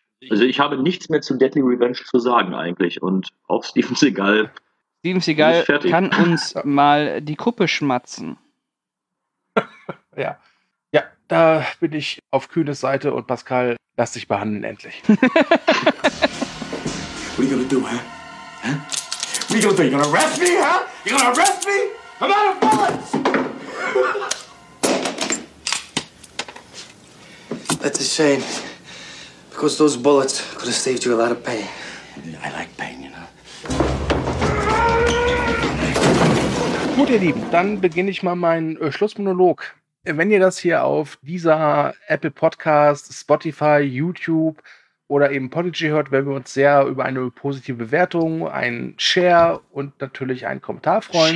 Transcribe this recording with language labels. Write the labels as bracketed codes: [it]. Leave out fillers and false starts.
[de] Also ich habe nichts mehr zu Deadly Revenge zu sagen eigentlich und auch Steven Seagal. Steven Seagal kann uns mal die Kuppe schmatzen. Ja. Ja, da bin ich auf Kühnes Seite und Pascal, lass dich behandeln endlich. [en] What are you gonna do, huh? Huh? What are you gonna do? You gonna arrest me, huh? You gonna arrest me? I'm out of bullets! That's a shame. Because those bullets could have saved you a lot of pain. I like pain, you know. [de] Gut, ihr Lieben, dann beginne ich mal meinen Schlussmonolog. Wenn ihr das hier auf dieser Apple Podcast, Spotify, YouTube oder eben Podigy hört, werden wir uns sehr über eine positive Bewertung, einen Share und natürlich einen Kommentar freuen.